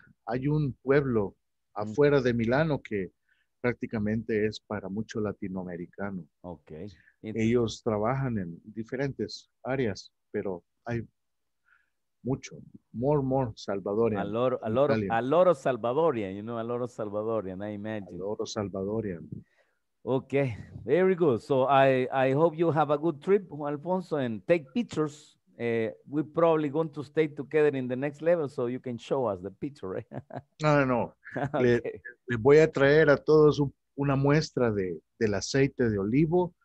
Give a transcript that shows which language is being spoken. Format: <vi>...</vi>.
<es>Hay un pueblo afuera de Milano que prácticamente es para mucho latinoamericano.</es> <en>Okay.</en> <es>Ellos trabajan en diferentes áreas, pero hay mucho,</es> <en>more Salvadorian. A lot of Salvadorian, you know, a lot of Salvadorian, I imagine. A lot of Salvadorian. Okay, very good. So I hope you have a good trip, Juan Alfonso, and take pictures. We're probably going to stay together in the next level so you can show us the picture, right? No. Okay.</en> <es>Le voy a traer a todos una muestra del aceite de olivo.</es>